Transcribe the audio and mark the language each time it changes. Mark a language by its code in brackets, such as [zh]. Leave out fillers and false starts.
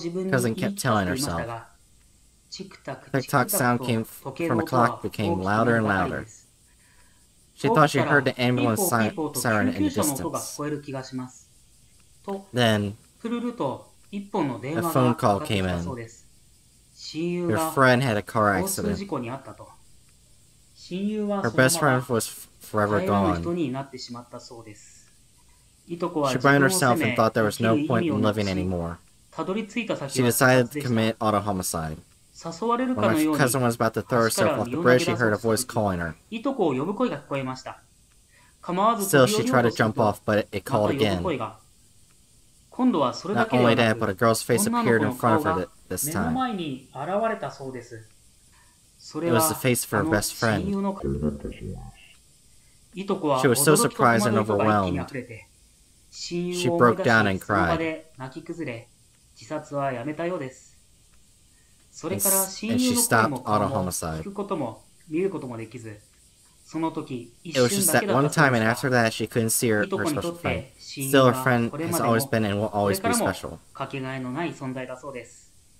[en] Cousin kept telling herself. Tick-tock sound came from the clock became louder and louder. She thought she heard the ambulance siren in the distance. Then, [ja] 一本の電話がかかったそうです。親友が交通事故にあったと。親友はそのまま帰らぬ人になってしまったそうです。いとこは自分を責め、生きる意味をなくし、たどり着いた先は自殺でした。誘われるかのように、私から身を投げ出そうとする時、いとこを呼ぶ声が聞こえました。構わず飛び降りようとすると、また呼ぶ声が。今度はそれだけではなく、女の子の顔が目の前に現れたそうです。それは、あの親友の顔。いとこは驚きと戸惑いが一気に溢れて、親友を思い出し、その場で泣き崩れ、自殺はやめたようです。それから親友の声も顔も聞くことも見ることもできず、その時、一瞬だけだった。 [en] It was just that one time, and after that, she couldn't see her special friend. Still, her friend has always been and will always be special. [ja] かけがえのない存在だそうです。